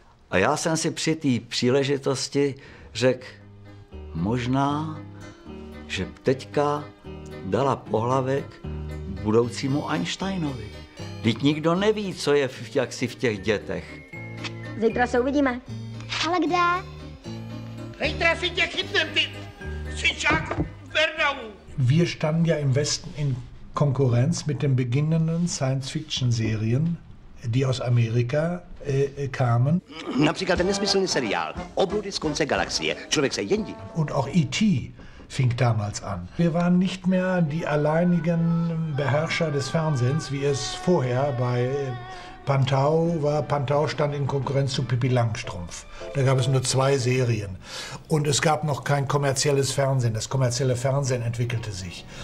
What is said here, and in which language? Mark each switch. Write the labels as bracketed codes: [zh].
[cs] A já jsem si při té příležitosti řekl, možná, že teďka dala pohlavek budoucímu Einsteinovi. Teď nikdo neví, co je jaksi v těch dětech. Zítra se uvidíme. Ale kde? Zítra si tě chytnem, ty syčák Vernau. [de] Wir standen ja im Westen in Konkurrenz mit den beginnenden Science-Fiction-Serien. Die aus Amerika kamen. [cs] Například ten nesmyslný seriál Obludy z konce galaxie. Člověk se jen dívá. [de] Und auch E.T. fing damals an. Wir waren nicht mehr die alleinigen Beherrscher des Fernsehens, wie es vorher bei Pantau war. Pantau stand in Konkurrenz zu Pippi Langstrumpf. Da gab es nur zwei Serien. Und es gab noch kein kommerzielles Fernsehen. Das kommerzielle Fernsehen entwickelte sich.